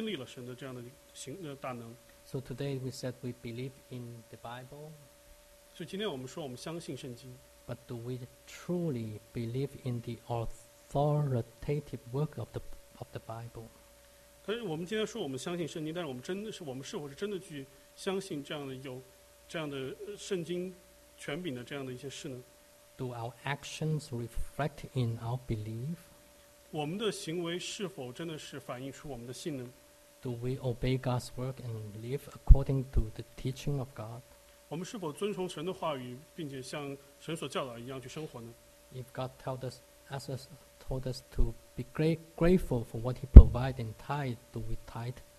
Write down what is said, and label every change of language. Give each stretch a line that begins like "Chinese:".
Chinese: 但是通过耶稣这样的神迹，他真的是真实的去经历了神的这样的大能。
English: So today we said we believe in the Bible.
Chinese: 所以今天我们说我们相信圣经。
English: But do we truly believe in the authoritative work of the Bible?
Chinese: 可是我们今天说我们相信圣经，但是我们真的是我们是否是真的去相信这样的有 这样的圣经权柄的这样的一些事呢？
English: Do our actions reflect in our belief?
Chinese: 我们的行为是否真的是反映出我们的信呢？
English: Do we obey God's word and live according to the teaching of God?
Chinese: 我们是否遵从神的话语，并且像神所教导一样去生活呢？
English: If God told us to be grateful for what He provided and tithe, do we tithe